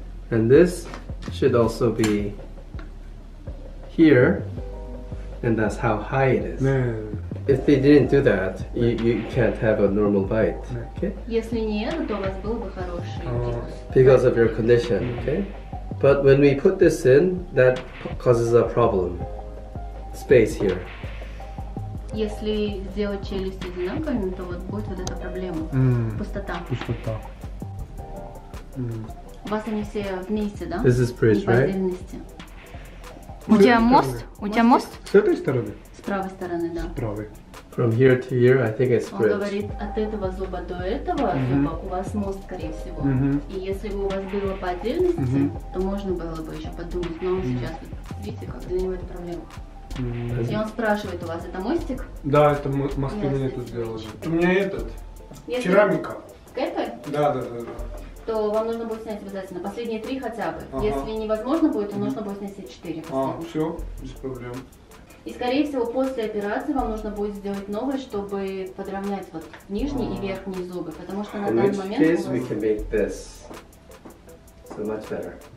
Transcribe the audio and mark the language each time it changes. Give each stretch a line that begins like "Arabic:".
English: And this should also be here. And that's how high it is. Yeah. If they didn't do that, you can't have a normal bite. Yeah. Okay?
Russian: Если нет, то у вас был бы хороший вкус.
English: Because of your condition. Okay? But when we put this in, that causes a problem. Space here.
Russian: Если сделать челюсти одинаковыми, то вот будет вот эта проблема. Пустота. Пустота. У вас они все вместе, да?
English: This is bridge, right?
Russian: По отдельности. У тебя мост? У тебя мост? С этой стороны? С правой стороны, да. С правой.
English: From here to here, I think it's bridge.
Russian: Он говорит, от этого зуба до этого зуба у вас мост, скорее всего. И если бы у вас было по отдельности, то можно было бы еще подумать. Но сейчас, видите, как для него это проблема. И он спрашивает, у вас это мостик? Да, это мосты мне тут сделали. У меня этот, керамика. К этой? Да. То вам нужно будет снять обязательно последние три хотя бы. Ага. Если невозможно будет, то нужно будет снять 4 последние. А, все, без проблем. И скорее всего после операции вам нужно будет сделать новый, чтобы подровнять вот нижний и верхний зубы. Потому что на данный момент...
English: In which case we can make this so much better.